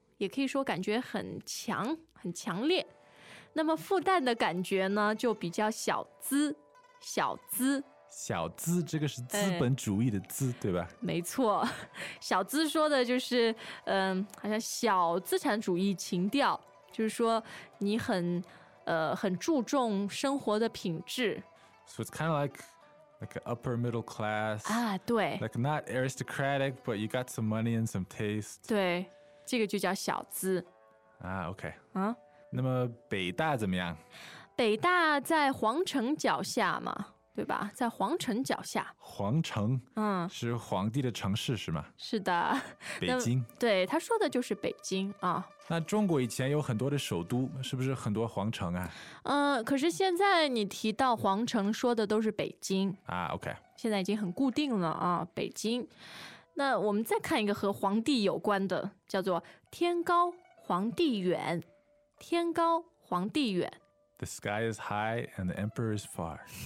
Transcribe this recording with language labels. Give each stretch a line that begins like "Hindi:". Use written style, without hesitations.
Chinese: 也可以说感觉很强，很强烈。那么复旦的感觉呢，就比较小资，小资。小资，这个是资本主义的资、哎、对吧？没错，小资说的就是好像小资产主义情调，就是说你很注重生活的品质。
English: So it's kind of like an upper middle class
Chinese: 啊，对，
English: like not aristocratic but you got some money and some taste.
Chinese: 对，这个就叫小资啊。OK、啊、那么北大怎么样？北大在皇城脚下嘛，对吧？在皇城脚下。皇城，嗯，是皇帝的城市是吗？是的。北京。对，他说的就是北京啊。那中国以前有很多的首都，是不是很多皇城啊？可是现在你提到皇城说的都是北京啊。OK，现在已经很固定了啊，北京。那我们再看一个和皇帝有关的，叫做天高皇帝远。天高皇帝远。
English: The sky is high and the emperor is far.